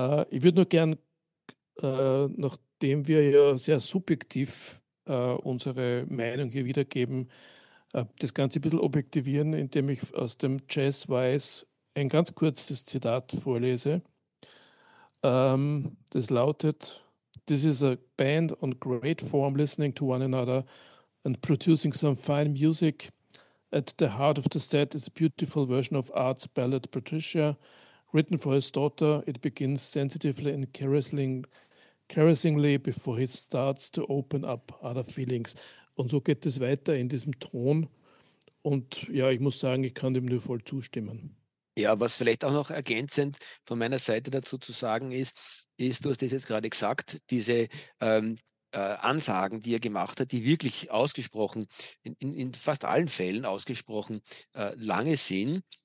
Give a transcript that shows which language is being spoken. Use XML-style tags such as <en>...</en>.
<de>Ich würde nur gern, nachdem wir ja sehr subjektiv unsere Meinung hier wiedergeben, das Ganze ein bisschen objektivieren, indem ich aus dem Jazz Weiß ein ganz kurzes Zitat vorlese. Das lautet:</de> <en>"This is a band on great form listening to one another and producing some fine music. At the heart of the set is a beautiful version of Art's ballad Patricia, written for his daughter. It begins sensitively and caressingly before he starts to open up other feelings."</en> <de>Und so geht es weiter in diesem Ton. Und ja, ich muss sagen, ich kann dem nur voll zustimmen. Ja, was vielleicht auch noch ergänzend von meiner Seite dazu zu sagen ist, ist, du hast das jetzt gerade gesagt, diese Ansagen, die er gemacht hat, die wirklich ausgesprochen, in fast allen Fällen ausgesprochen, lange sind.</de>